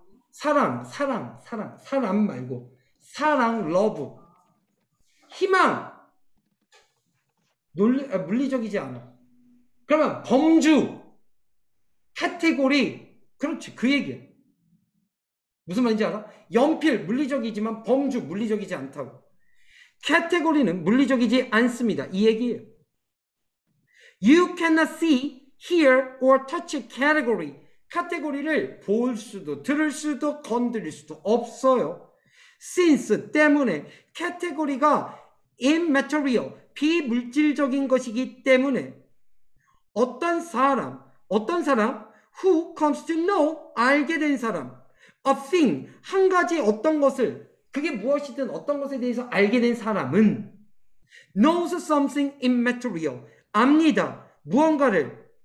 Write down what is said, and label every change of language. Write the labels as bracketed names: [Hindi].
[Korean] 사람 말고 사랑, 러브, 희망, 물리적이지 않아. 그러면 범주, 카테고리, 그렇지, 그 얘기야. 무슨 말인지 알아? 연필, 물리적이지만 범주, 물리적이지 않다고. 카테고리는 물리적이지 않습니다. 이 얘기예요. [English] You cannot see, hear, or touch a category. [Korean] 카테고리를 볼 수도, 들을 수도, 건드릴 수도 없어요. Since, 때문에, 카테고리가 immaterial, 비물질적인 것이기 때문에, 어떤 사람, [English] who comes to know, [Korean] 알게 된 사람, a thing, 한 가지 어떤 것을, 그게 무엇이든 어떤 것에 대해서 알게 된 사람은, [English] knows something immaterial, [Korean] 압니다. 무언가를,